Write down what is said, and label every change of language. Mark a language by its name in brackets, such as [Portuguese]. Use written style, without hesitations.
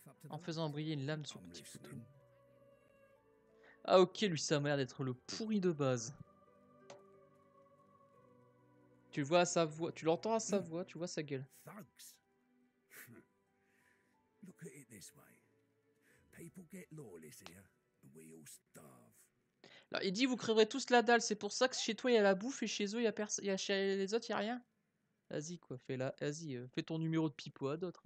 [French] En faisant briller une lame de son petit couteau. Ah ok, lui ça a l'air d'être le pourri de base. Tu vois sa voix, tu l'entends à sa voix, tu vois sa gueule. [English] Look at it this way. People get lawless here, and we all starve. [French] Alors, il dit vous crèverez tous la dalle, c'est pour ça que chez toi il y a la bouffe et chez eux il y a personne, chez les autres il y a rien. Vas-y quoi, fais là, vas-y, fais ton numéro de pipeau à d'autres.